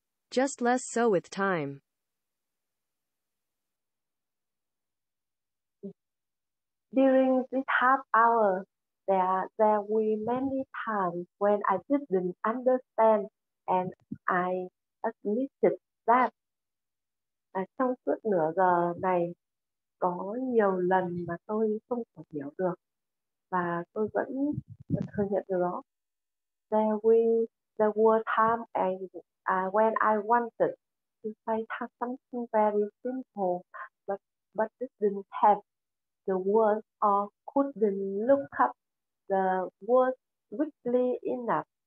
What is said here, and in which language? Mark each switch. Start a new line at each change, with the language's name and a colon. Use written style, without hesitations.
English: Just less so with time. During this half hour, there were many times when I didn't understand, and I admitted that.
Vietnamese: Trong suốt nửa giờ này, có nhiều lần mà tôi không thể hiểu được, và tôi vẫn thừa nhận điều đó.
English: There were times when I wanted to say something very simple, but didn't have the words or couldn't look up the words quickly enough.